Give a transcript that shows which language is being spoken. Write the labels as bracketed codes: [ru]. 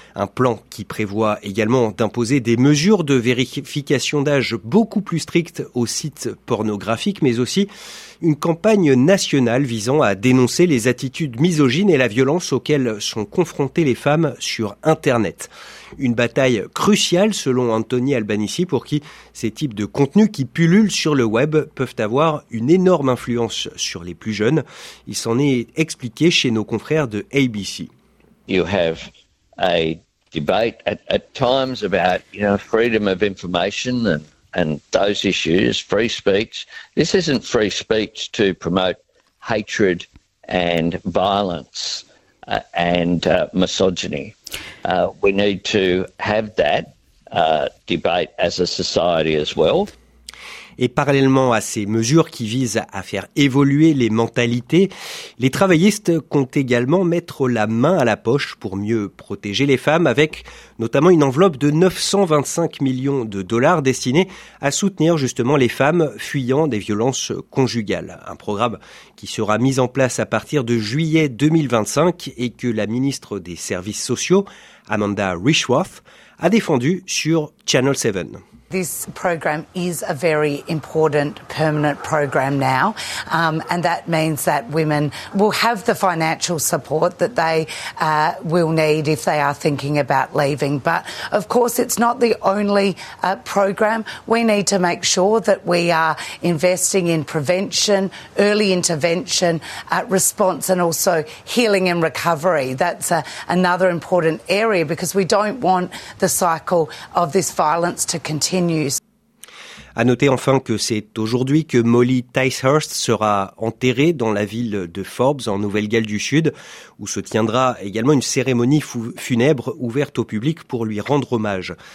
[fr] Un plan qui prévoit également d'imposer des mesures de vérification d'âge beaucoup plus strictes aux sites pornographiques, mais aussi une campagne nationale visant à dénoncer les attitudes misogynes et la violence auxquelles sont confrontées les femmes sur Internet. Une bataille cruciale, selon Anthony Albanese, pour qui ces types de contenus qui pullulent sur le web peuvent avoir une énorme influence sur les plus jeunes. Il s'en est expliqué chez nos confrères de ABC. [en] You have a debate at times about, you know, freedom of information and those issues, free speech. This isn't free speech to promote hatred and violence and misogyny. We need to have that debate as a society as well. [fr] Et parallèlement à ces mesures qui visent à faire évoluer les mentalités, les travaillistes comptent également mettre la main à la poche pour mieux protéger les femmes, avec notamment une enveloppe de 925 millions de dollars destinée à soutenir justement les femmes fuyant des violences conjugales. Un programme qui sera mis en place à partir de juillet 2025 et que la ministre des Services sociaux, Amanda Rishworth, a défendu sur Channel 7. [en] This program is a very important permanent program now, and that means that women will have the financial support that they will need if they are thinking about leaving. But of course, it's not the only program. We need to make sure that we are investing in prevention, early intervention, response, and also healing and recovery. That's another important area, because we don't want the cycle of this violence to continue. [fr] À noter enfin que c'est aujourd'hui que Molly Ticehurst sera enterrée dans la ville de Forbes en Nouvelle-Galles du Sud, où se tiendra également une cérémonie funèbre ouverte au public pour lui rendre hommage.